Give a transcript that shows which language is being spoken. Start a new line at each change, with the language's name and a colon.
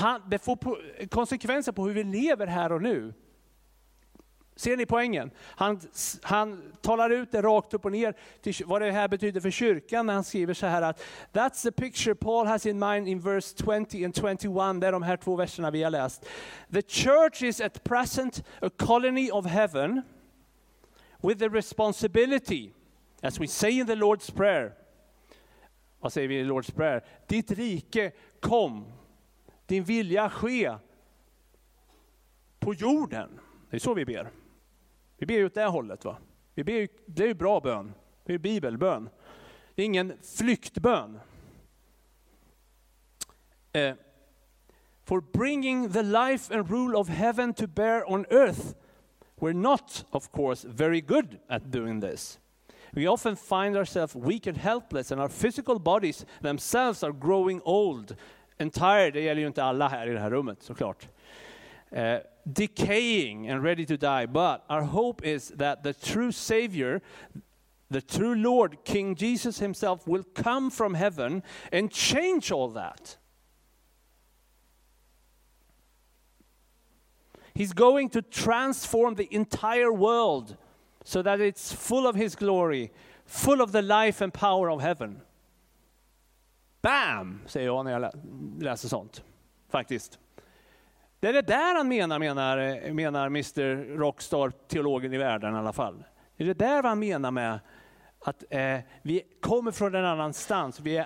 Swedish: Det får konsekvenser på hur vi lever här och nu. Ser ni poängen? Han talar ut det rakt upp och ner till vad det här betyder för kyrkan när han skriver så här att
English: that's the picture Paul has in mind in verse 20 and 21.
Swedish: Det är de här två verserna vi har läst.
English: The church is at present a colony of heaven with the responsibility, as we say in the Lord's Prayer.
Swedish: Vad säger vi i Lord's Prayer? Ditt rike kom, din vilja ske på jorden. Det är så vi ber. Vi ber ut det hållet, va? Vi ber, det är ju bra bön. Det är bibelbön. Det är ingen flyktbön.
English: For bringing the life and rule of heaven to bear on earth, we're not, of course, very good at doing this. We often find ourselves weak and helpless and our physical bodies themselves are growing old and tired.
Swedish: Det gäller ju inte alla här i det här rummet, såklart.
English: Decaying and ready to die, but our hope is that the true Savior, the true Lord, King Jesus himself, will come from heaven and change all that. He's going to transform the entire world so that it's full of his glory, full of the life and power of heaven.
Swedish: Bam, säger jag när jag läser sånt, faktiskt. Det är det där han menar Mr. Rockstar, teologen i världen i alla fall. Det är det där han menar med att vi kommer från en annan stans.